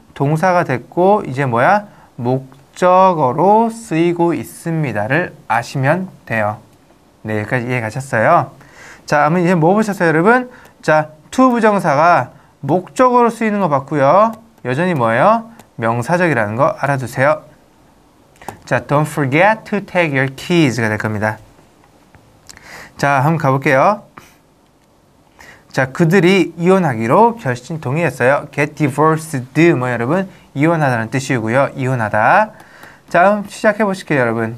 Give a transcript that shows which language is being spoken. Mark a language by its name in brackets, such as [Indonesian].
[Korean] 동사가 됐고 이제 뭐야? 목적어로 쓰이고 있습니다를 아시면 돼요. 네, 여기까지 이해 가셨어요? 자, 아무튼 이제 뭐 보셨어요, 여러분? 자, to 부정사가 목적으로 쓰이는 거 봤고요. 여전히 뭐예요? 명사적이라는 거 알아두세요. [English] 자, don't forget to take your keys가 [Korean] 될 겁니다. 자, 한번 가볼게요. 자, 그들이 이혼하기로 결심 동의했어요. [English] get divorced, [Korean] 뭐 여러분? 이혼하다는 뜻이고요. 이혼하다. 자, 시작해 보실게요, 여러분.